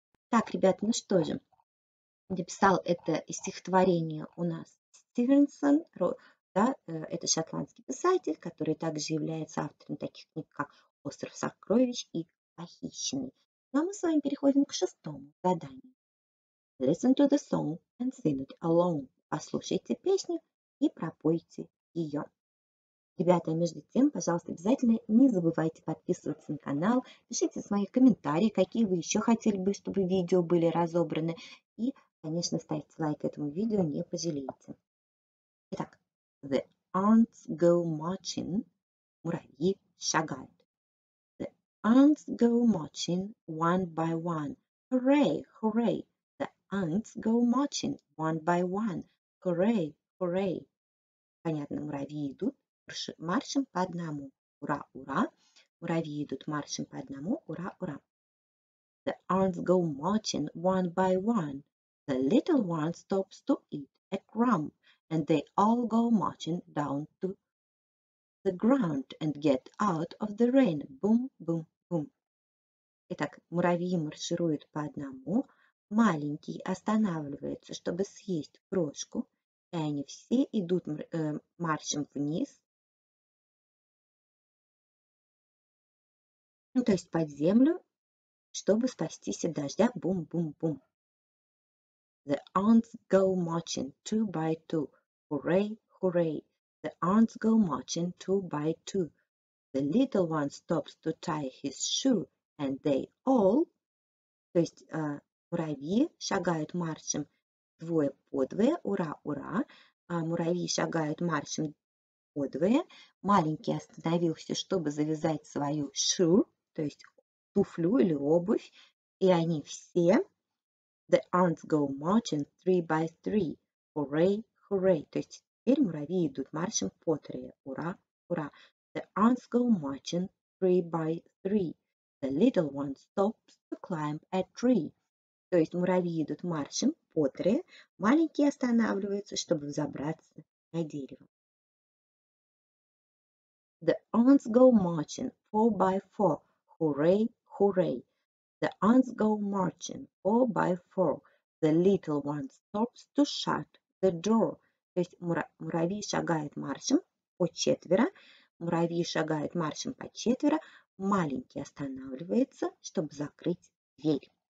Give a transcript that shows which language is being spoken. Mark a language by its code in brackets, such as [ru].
[ru] Так, ребята, ну что же, написал это стихотворение у нас Стивенсон, да, это шотландский писатель, который также является автором таких книг, как «Остров сокровищ» и «Похищенный». Ну, а мы с вами переходим к шестому заданию. [en] Listen to the song and sing it alone. [ru] Послушайте песню и пропойте ее. Ребята, между тем, пожалуйста, обязательно не забывайте подписываться на канал, пишите свои комментарии, какие вы еще хотели бы, чтобы видео были разобраны. И, конечно, ставьте лайк этому видео, не пожалеете. Итак. [en] The ants go marching, [ru] муравьи шагают. [en] The ants go marching one by one. Hooray, hooray. The ants go marching one by one. Hooray, hooray. [ru] Понятно, муравьи идут маршем по одному. Ура, ура. Муравьи идут маршем по одному. Ура, ура. [en] The ants go marching one by one. The little one stops to eat a crumb. And they all go marching down to the ground and get out of the rain. Boom, boom, boom. [ru] Итак, муравьи маршируют по одному. Маленький останавливается, чтобы съесть крошку. И они все идут маршем вниз. Ну, то есть под землю, чтобы спастись от дождя. Бум, бум, бум. [en] The ants go marching two by two. Hooray, hooray, the ants go marching two by two. The little one stops to tie his shoe, and they all, [ru] то есть муравьи шагают маршем двое по двое, ура, ура. Муравьи шагают маршем по двое. Маленький остановился, чтобы завязать свою [en] shoe, [ru] то есть туфлю или обувь, и они все. [en] The ants go marching three by three. Hooray. Hooray! [ru] То есть теперь муравьи идут маршем по трое. Ура! Ура! [en] The ants go marching three by three. The little one stops to climb a tree. [ru] То есть муравьи идут маршем по трое. Маленькие останавливаются, чтобы взобраться на дерево. [en] The ants go marching four by four. Hooray! Hooray! The ants go marching four by four. The little one stops to shut the door. [ru] То есть муравьи шагают маршем по четверо. Муравьи шагают маршем по четверо. Маленький останавливается, чтобы закрыть дверь.